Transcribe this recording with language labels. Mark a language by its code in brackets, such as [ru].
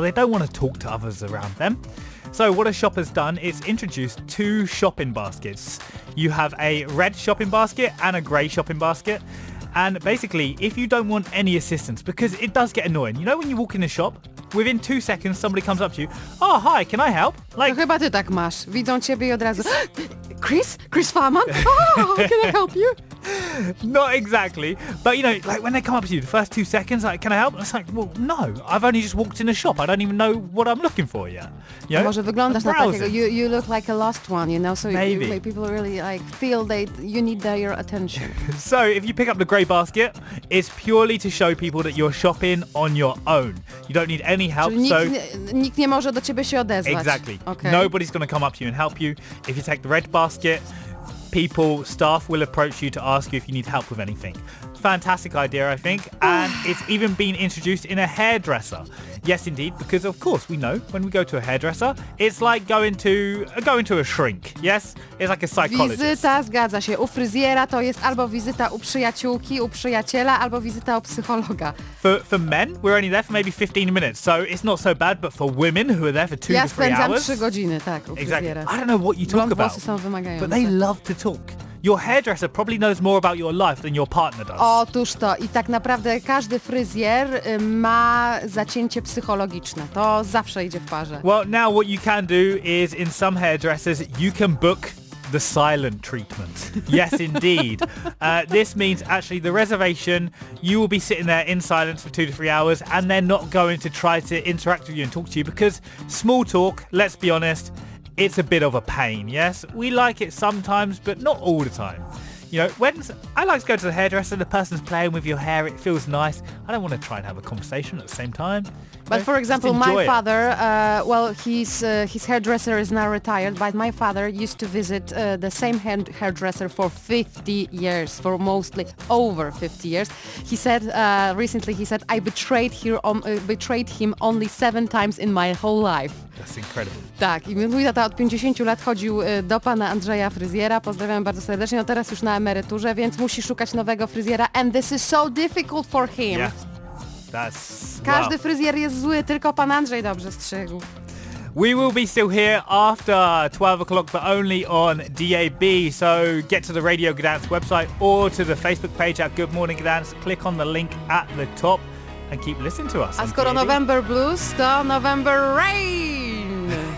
[en] They don't want to talk to others around them. So what a shop has done is introduced two shopping baskets. You have a red shopping basket and a grey shopping basket. And basically, if you don't want any assistance, because it does get annoying, you know when you walk in a shop, within 2 seconds somebody comes up to you, oh hi, can I help? [pl] Like, chyba ty tak masz. Widzą ciebie i od razu, Chris? [en] Chris Farman? Oh, can I help you? Not exactly. But you know, like when they come up to you, the first 2 seconds, like, can I help? It's like, well, no, I've only just walked in a shop. I don't even know what I'm looking for yet. You know? [pl] Może wyglądasz na takiego, [en] you look like a lost one, you know? So maybe. You, like, people really like feel that you need their attention. So if you pick up the grey basket, it's purely to show people that you're shopping on your own. You don't need any help. [pl] Czyli [en] so [pl] nikt nie może do ciebie się odezwać. [en] Exactly. Okay. Nobody's going to come up to you and help you. If you take the red basket, people, staff will approach you to ask you if you need help with anything. Fantastic idea, I think. And it's even been introduced in a hairdresser. Yes, indeed, because of course we know when we go to a hairdresser, it's like going to a shrink. Yes, it's like a psychologist. [pl] Wizyta, zgadza się. U fryzjera to jest albo wizyta u przyjaciółki, u przyjaciela, albo wizyta u psychologa. [en] For men, we're only there for maybe 15 minutes, so it's not so bad. But for women who are there for 2 to 3 hours, [pl] ja spędzam 3 godziny, tak, u fryzjera. [en] Exactly. I don't know what you talk [pl] Blond [en] about, [pl] włosy są wymagające. [en] But they love to talk. Your hairdresser probably knows more about your life than your partner does. [pl] Otóż to. I tak naprawdę każdy fryzjer ma zacięcie psychologiczne. To zawsze idzie w parze. [en] Well, now what you can do is in some hairdressers you can book the silent treatment. Yes, indeed. This means actually the reservation, you will be sitting there in silence for 2 to 3 hours and they're not going to try to interact with you and talk to you because small talk, let's be honest, it's a bit of a pain, yes? We like it sometimes, but not all the time. You know, I like to go to the hairdresser, the person's playing with your hair, it feels nice. I don't want to try and have a conversation at the same time. But for example, my father, his hairdresser is now retired, but my father used to visit the same hairdresser for 50 years, for mostly over 50 years. He said, recently he said, I betrayed him only 7 times in my whole life. That's incredible. [pl] Tak, i mój tata od 50 lat chodził do pana Andrzeja fryzjera, pozdrawiam bardzo serdecznie, no teraz już na emeryturze, więc musi szukać nowego fryzjera, [en] and this is so difficult for him. Yeah. That's, [pl] każdy fryzjer jest zły, tylko pan Andrzej dobrze strzygł. [en] We will be still here after 12 o'clock, but only on DAB. So get to the Radio Gdansk website or to the Facebook page at Good Morning Gdansk. Click on the link at the top and keep listening to us. [pl] A skoro November blues, to November rain!